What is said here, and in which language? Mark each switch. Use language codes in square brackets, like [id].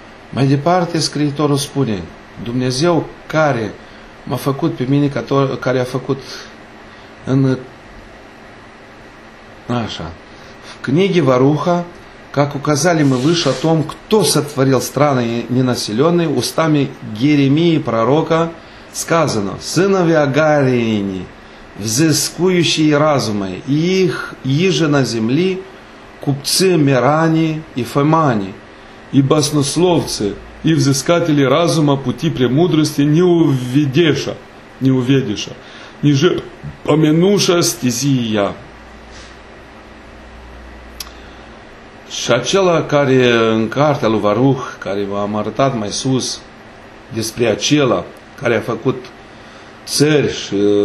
[ro] Mai departe, scriitorul spune, Dumnezeu care m-a făcut pe mine, care a făcut Așa. [cu] В книге Варуха, как указали мы выше о том, кто сотворил страны ненаселенные, устами Геремии, пророка, сказано, сынове Агарини, взыскующие разума, и их иже на земли, купцы Мирани и Фемани, и баснословцы, и взыскатели разума пути премудрости не увидеша, не увидеша, ниже помянуша стези я. [ro] Și acela care în cartea lui Varuh, care v-am arătat mai sus, despre acela care a făcut țări și